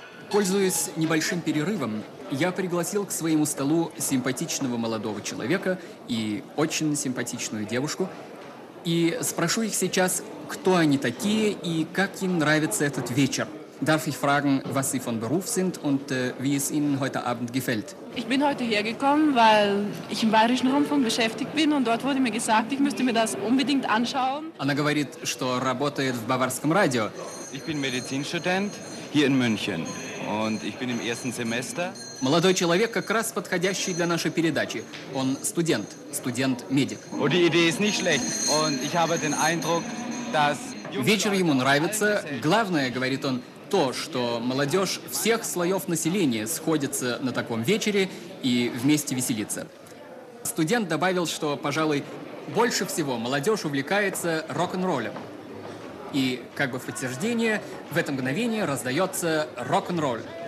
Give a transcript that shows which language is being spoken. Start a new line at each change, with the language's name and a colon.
Russian: Пользуясь небольшим перерывом, я пригласил к своему столу симпатичного молодого человека и очень симпатичную девушку, и спрошу их сейчас, кто они такие и как им нравится этот вечер.
German: Darf ich fragen, was Sie von Beruf sind und wie es Ihnen heute Abend gefällt? Ich bin heute hergekommen, weil ich im Bayerischen Rundfunk beschäftigt bin und dort wurde mir gesagt, ich müsste mir das unbedingt anschauen.
Russian: Она говорит, что работает в Баварском радио.
German: Ich bin Medizinstudent hier in München und ich bin im ersten Semester.
Russian: Молодой человек как раз подходящий для нашей передачи. Он студент, студент-медик.
German: Und die Idee ist nicht schlecht und ich habe den Eindruck, dass...
Russian: Вечер ему нравится. Главное, говорит он, то, что молодежь всех слоев населения сходится на таком вечере и вместе веселится. Студент добавил, что, пожалуй, больше всего молодежь увлекается рок-н-роллем. И, как бы в подтверждение, в это мгновение раздается рок-н-ролль.